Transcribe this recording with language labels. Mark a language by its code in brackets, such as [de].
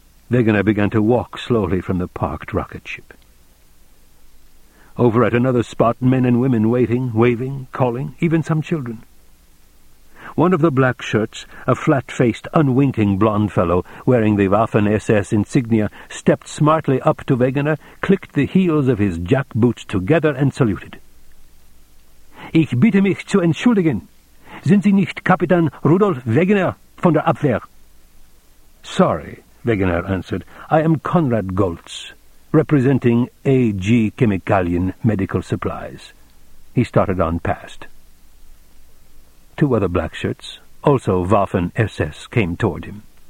[en] Wegener began to walk slowly from the parked rocket ship. Over at another spot, men and women waiting, waving, calling, even some children. One of the black shirts, a flat-faced, unwinking blonde fellow, wearing the Waffen-SS insignia, stepped smartly up to Wegener, clicked the heels of his jackboots together, and saluted. [de] Ich bitte mich zu entschuldigen. Sind Sie nicht Kapitän Rudolf Wegener von der Abwehr? [en] Sorry, Wegener answered. I am Konrad Goltz, representing AG Chemikalien Medical Supplies. He started on past. Two other black shirts, also Waffen SS, came toward him.